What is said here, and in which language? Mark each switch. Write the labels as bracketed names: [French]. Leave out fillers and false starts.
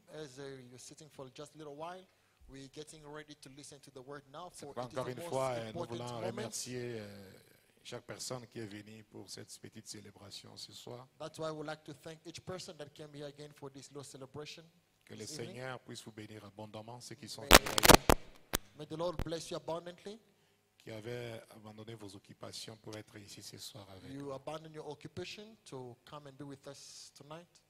[English] As you're sitting for just a little while, we're getting ready to listen to the word now. [French] Encore une fois, nous voulons remercier chaque personne qui est venue pour cette petite célébration ce soir. [English] That's why I would like to thank each person that came here again for this little celebration. [French] Que le Seigneur puisse vous bénir abondamment, ceux qui sont derrière. [English] May the Lord bless you abundantly. [French] Qui avaient abandonné vos occupations pour être ici ce soir avec nous. [English] You abandon your occupation to come and be with us tonight.